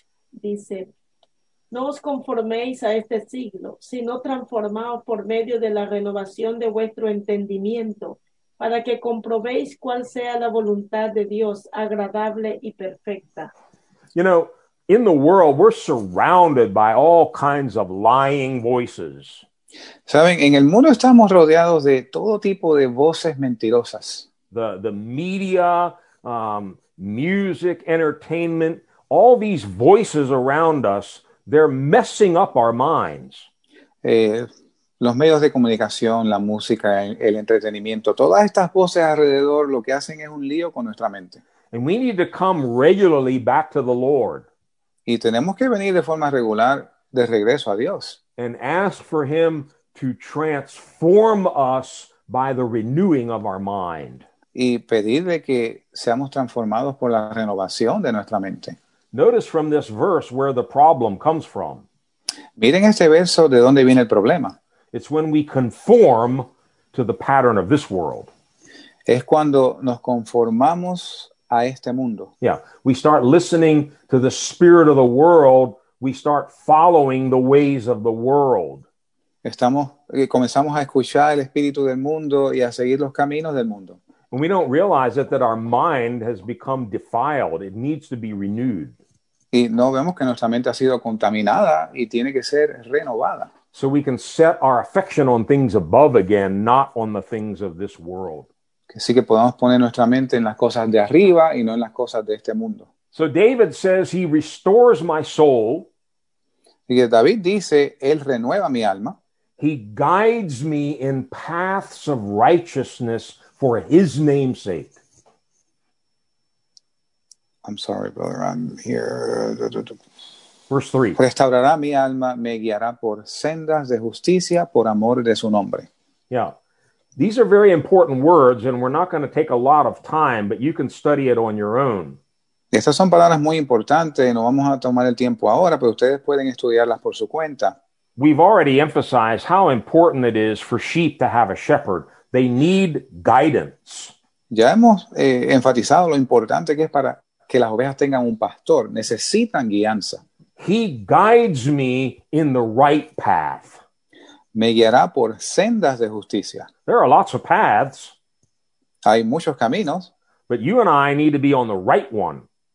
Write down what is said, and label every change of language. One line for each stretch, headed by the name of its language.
Spanish: Dice: No os conforméis a este siglo, sino transformaos por medio de la renovación de vuestro entendimiento, para que comprobéis cuál sea la voluntad de Dios, agradable y perfecta.
English: You know, in the world, we're surrounded by all kinds of lying voices.
Spanish: Saben, en el mundo estamos rodeados de todo tipo de voces mentirosas.
English: The media, music, entertainment, all these voices around us, they're messing up our minds.
Spanish: Los medios de comunicación, la música, el entretenimiento, todas estas voces alrededor lo que hacen es un lío con nuestra mente.
English: And we need to come regularly back to the Lord.
Spanish: Y tenemos que venir de forma regular de regreso a Dios.
English: And ask for him to transform us by the renewing of our mind.
Spanish: y pedirle que seamos transformados por la renovación de nuestra mente.
English: Notice from this verse where the problem comes from.
Spanish: Miren este verso de dónde viene el problema.
English: It's when we conform to the pattern of this world.
Spanish: Es cuando nos conformamos a este mundo.
English: Yeah, we start listening to the spirit of the world. We start following the ways of the world.
Spanish: Comenzamos a escuchar el espíritu del mundo y a seguir los caminos del mundo.
English: And we don't realize that our mind has become defiled. It needs to be renewed.
Spanish: Y no vemos que nuestra mente ha sido contaminada y tiene que ser renovada.
English: So we can set our affection on things above again, not on the things of this world.
Spanish: Así que podamos poner nuestra mente en las cosas de arriba y no en las cosas de este mundo.
English: So David says he restores my soul.
Spanish: Y David dice, él renueva mi alma.
English: He guides me in paths of righteousness for his name's sake. I'm sorry, brother, I'm here. Verse 3.
Spanish: Restaurará mi alma, me guiará por sendas de justicia, por amor de su nombre.
English: Yeah. These are very important words, and we're not going to take a lot of time, but you can study it on your own.
Spanish: Estas son palabras muy importantes, no vamos a tomar el tiempo ahora, pero ustedes pueden estudiarlas por su cuenta.
English: We've already emphasized how important it is for sheep to have a shepherd. They need guidance.
Spanish: Ya hemos enfatizado lo importante que es para que las ovejas tengan un pastor. Necesitan guianza.
English: He guides me in the right path.
Spanish: Me guiará por sendas de justicia.
English: There are lots of paths.
Spanish: Hay muchos caminos.
English: But you and I need to be on the right one.